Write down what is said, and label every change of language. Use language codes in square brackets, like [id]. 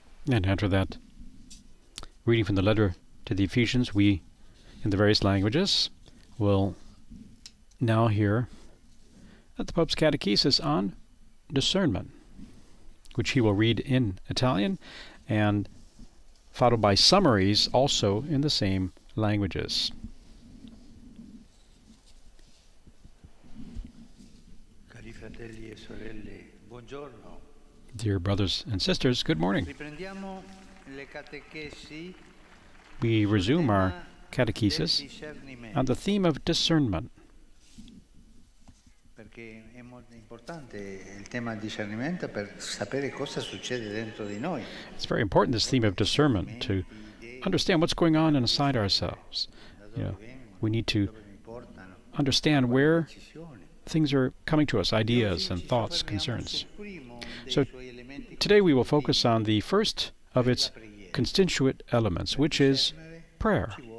[en] And after that, reading from the letter to the Ephesians, we, in the various languages, will now hear at the Pope's catechesis on discernment, which he will read in Italian, and followed by summaries also in the same languages. [it] Cari fratelli e sorelle, buongiorno. [en] Dear brothers and sisters, good morning. [it] Riprendiamo le catechesi. [en] We resume our catechesis on the theme of discernment. [it] Perché è molto importante il tema di discernimento per sapere cosa succede dentro di noi. [en] It's very important, this theme of discernment, to understand what's going on inside ourselves. You know, we need to understand where things are coming to us, ideas and thoughts, concerns. So today we will focus on the first of its constituent elements, which is prayer.